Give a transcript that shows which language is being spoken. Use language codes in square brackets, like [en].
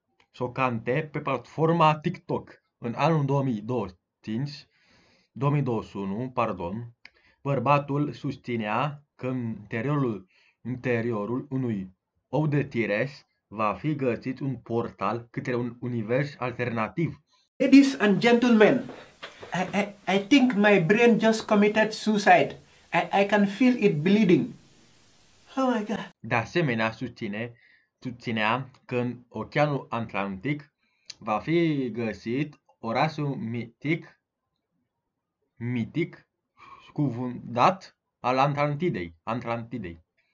[ro] Șocante pe platforma TikTok. În anul 2025, 2021, pardon, bărbatul susținea că interiorul unui ou de tires va fi găsit un portal către un univers alternativ. [en] Ladies and gentlemen, I think my brain just committed suicide. I can feel it bleeding. Oh my God. [ro] De asemenea, susținea că în Oceanul Atlantic va fi găsit orașul mitic scufundat al Atlantidei.